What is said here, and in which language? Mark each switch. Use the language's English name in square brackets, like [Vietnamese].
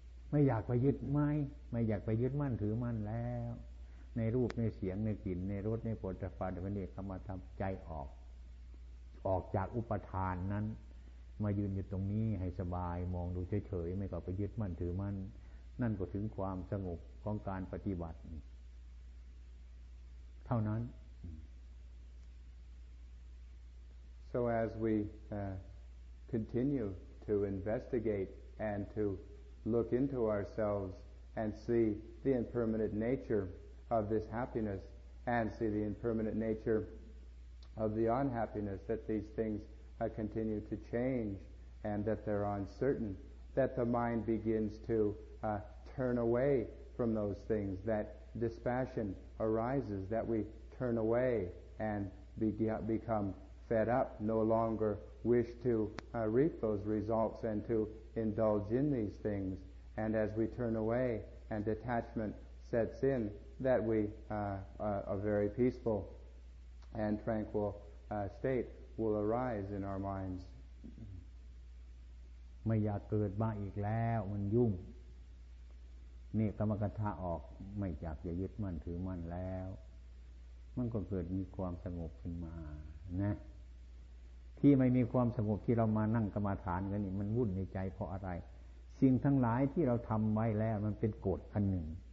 [Thai] ไม่อยากไปยึดไม่ไม่อยากไปยึดมั่นถือมั่นแล้วในรูปในเสียงในกลิ่นในรสในผลิตภัณฑ์ในวันนี้เข้ามาทำใจออกออกจากอุปทานนั้นมายืนอยู่ตรงนี้ให้สบายมองดูเฉยๆไม่ก็ไปยึดมั่นถือมั่นนั่นก็ถึงความสงบของการปฏิบัติเท่านั้น [English] So as we continue to investigate and to look into ourselves and see the impermanent nature of this happiness and see the impermanent nature of the unhappiness that these things continue to change and that they're uncertain that the mind begins to turn away from those things that dispassion arises that we turn away and become fed up no longer wish to reap those results and to indulge in these things and as we turn away and detachment sets in that we a very peaceful and tranquil state will arise in our minds [Thai] ไม่อยากเกิดมาอีกแล้วมันยุ่งนี่กรรมกถาออกไม่อยากจะยึดมั่นถือมั่นแล้วมันก็เกิดมีความสงบขึ้นมานะที่ไม่มีความสงบที่เรามานั่งกรรมฐานกันนี่มันวุ่นในใจเพราะอะไรสิ่งทั้งหลายที่เราทำไว้แล้วมันเป็นกฎอันหนึ่ง